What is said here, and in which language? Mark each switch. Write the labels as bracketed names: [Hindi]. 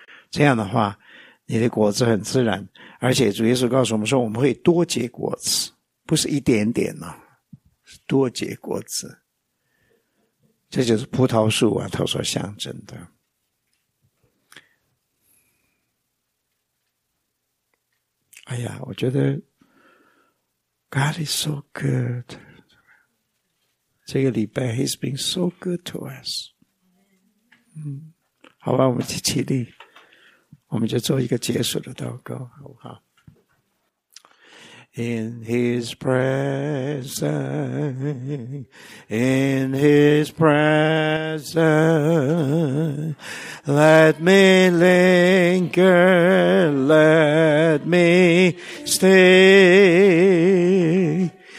[Chinese] 这样的话你的果子很自然，而且主耶稣告诉我们说，我们会多结果子，不是一点点啊，是多结果子。这就是葡萄树啊，它所象征的。哎呀，我觉得 [English] God is so good， [Chinese] 这个礼拜 [English] He's been so good to us。 [Chinese] 好吧，我们起立，我们就做一个结束的祷告，好不好？ [English] In His presence, in His presence, let me linger, let me stay.